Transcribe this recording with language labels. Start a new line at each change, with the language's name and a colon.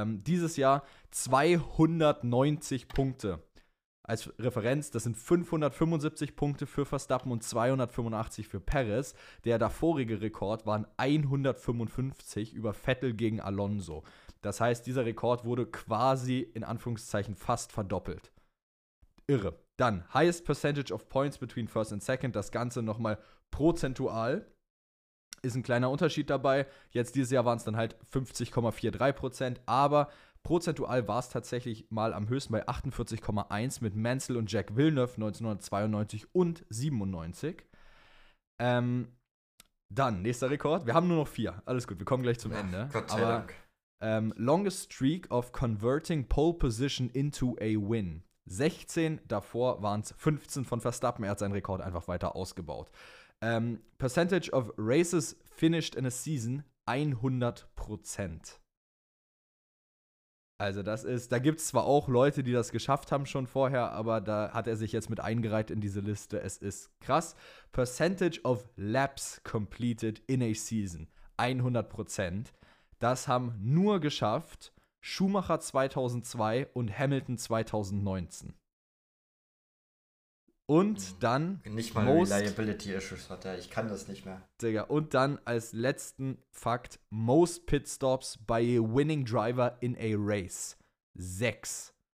German: Dieses Jahr 290 Punkte. Als Referenz, das sind 575 Punkte für Verstappen und 285 für Perez. Der davorige Rekord waren 155 über Vettel gegen Alonso. Das heißt, dieser Rekord wurde quasi, in Anführungszeichen, fast verdoppelt. Irre.
English: Dann, highest percentage of points between first and second.
German: Das Ganze nochmal prozentual. Ist ein kleiner Unterschied dabei. Jetzt dieses Jahr waren es dann halt 50,43%. Aber prozentual war es tatsächlich mal am höchsten bei 48,1 mit Mansell und Jack Villeneuve 1992 und 97. Dann, nächster Rekord. Wir haben nur noch 4. Alles gut, wir kommen gleich zum Ende. Gott sei Dank.
English: Longest streak of converting pole position into a win.
German: 16, davor waren es 15 von Verstappen. Er hat seinen Rekord einfach weiter ausgebaut.
English: Percentage of races finished in a season, 100%.
German: Also das ist, da gibt es zwar auch Leute, die das geschafft haben schon vorher, aber da hat er sich jetzt mit eingereiht in diese Liste. Es ist krass.
English: Percentage of laps completed in a season, 100%.
German: Das haben nur geschafft Schumacher 2002 und Hamilton 2019. Und dann nicht mal most, Reliability Issues hat er. Ich kann das nicht mehr. Digga, und dann als letzten Fakt,
English: most pit stops by a winning driver in a race.
German: 6.